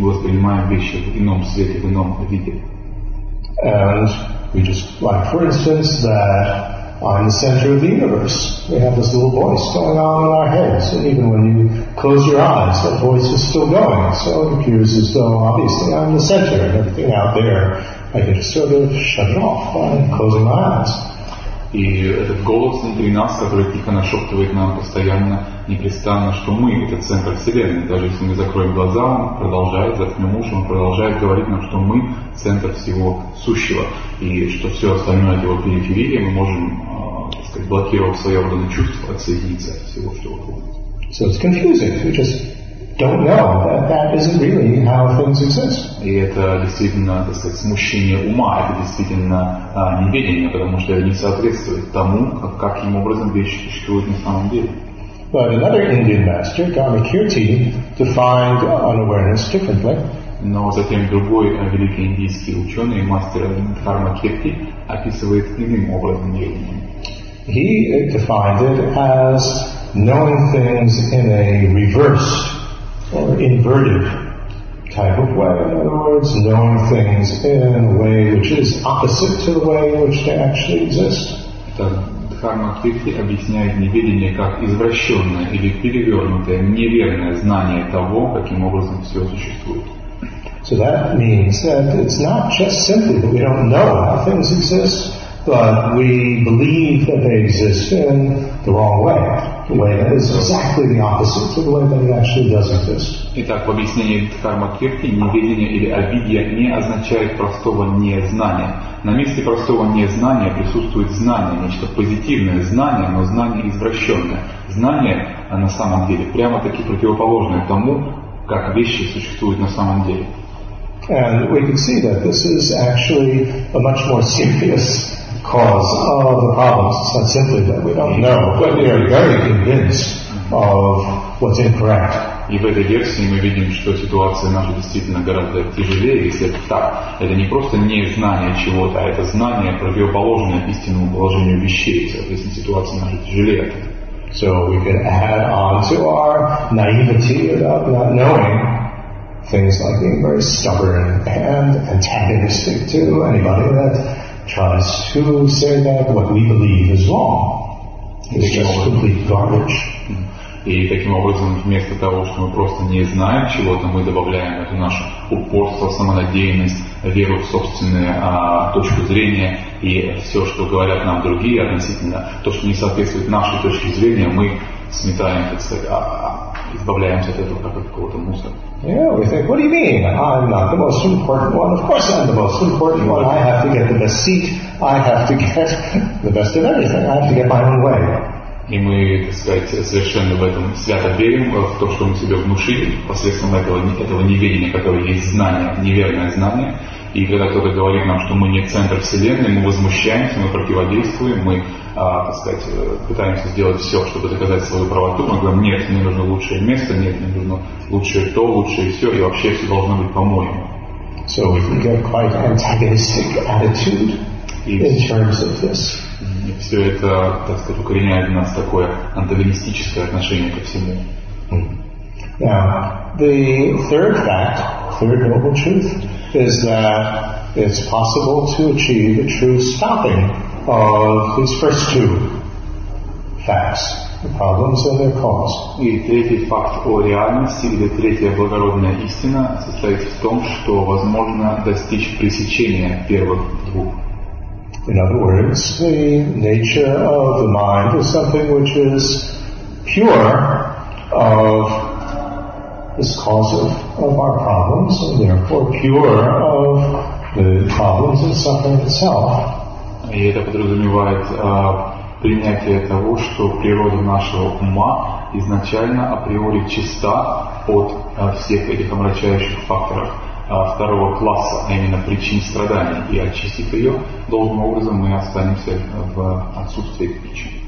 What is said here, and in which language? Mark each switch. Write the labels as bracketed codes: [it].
[ru] Мы воспринимаем вещи в ином свете, в ином виде. [en] And we just, like, for instance, that I'm the center of the universe. We have this little voice going on in our heads, and even when you close your eyes, that voice is still going. So it appears as though, obviously, I'm the center, and everything out there, I get sort of shut off by closing my eyes. [ru] И этот голос внутри нас, который тихо нашептывает нам постоянно, непрестанно, что мы — это центр Вселенной. Даже если мы закроем глаза, он продолжает, заткнем уши, он продолжает говорить нам, что мы — центр всего сущего. И что все остальное от его периферии мы можем, так сказать, блокировав свои органы чувств, отсоединиться от всего, что вокруг. [en] So it's confusing. We just don't know. That isn't really how things exist. [ru] И это действительно, так сказать, смущение ума, это действительно неведение, потому что это не соответствует тому, каким образом вещи существуют на самом деле. [en] But another Indian master, Dharmakirti, defined unawareness differently. [ru] Но затем другой великий индийский ученый, мастер Дхармакирти, описывает иным образом неведение. [en] He defined it as knowing things in a reversed or inverted type of way. In other words, knowing things in a way which is opposite to the way in which they actually exist. [ru] Дхарма Тхитхи объясняет неведение как извращенное или перевернутое, неверное знание того, каким образом все существует. [en] So that means that it's not just simply that we don't know how things exist, but we believe that they exist in the wrong way, the way that is exactly the opposite to the way that it actually does exist. [ru] Итак, в объяснении Дхарма Тхитхи неведение или обидья не означает простого незнания. На месте простого незнания присутствует знание, нечто позитивное знание, но знание извращенное. Знание, на самом деле, прямо-таки противоположное тому, как вещи существуют на самом деле. [en] And we can see that this is actually a much more serious cause of the problems. It's not simply that we don't know, but we are very convinced of what's incorrect. [ru] И в этой версии мы видим, что ситуация наша действительно гораздо тяжелее, если это так. Это не просто незнание чего-то, а это знание, противоположное истинному положению вещей. Соответственно, ситуация наша тяжелее. [en] So we can add on to our naivety about not knowing things like being very stubborn and antagonistic to anybody that tries to say that what we believe is wrong. It's just complete garbage. [ru] И таким образом, вместо того, что мы просто не знаем чего-то, мы добавляем это наше упорство, самонадеянность, веру в собственную точку зрения и все, что говорят нам другие относительно, то, что не соответствует нашей точке зрения, мы сметаем, так сказать, избавляемся от этого, как от какого-то мусора. [en] Yeah, we think, what do you mean? I'm not the most important one. Of course I'm the most important one. I have to get the best seat. I have to get the best of everything. I have to get my own way. [ru] И мы, так сказать, совершенно в этом свято верим, в то, что мы себе внушили посредством этого неведения, которое есть знание, неверное знание. И когда кто-то говорит нам, что мы не центр Вселенной, мы возмущаемся, мы противодействуем, мы, так сказать, пытаемся сделать все, чтобы доказать свою правоту. Мы говорим, нет, мне нужно лучшее место, нет, мне нужно лучшее то, лучшее все, и вообще все должно быть по-моему. [en] So we can get quite antagonistic attitude in terms of this. [ru] И все это, так сказать, укореняет в нас такое антагонистическое отношение ко всему. [en] Now, the third fact, third noble truth, is that it's possible to achieve a true stopping of these first two facts, the problems and their cause. [ru] И третий факт о реальности, или третья благородная истина, состоит в том, что возможно достичь пресечения первых двух. [en] In other words, the nature of the mind is something which is pure of this cause of our problems, and therefore pure of the problems and suffering itself. [ru] И это подразумевает принятие того, что природа нашего ума изначально априори чиста от всех этих омрачающих факторов второго класса, а именно причин страданий, и очистив ее, должным образом мы останемся в отсутствии причин.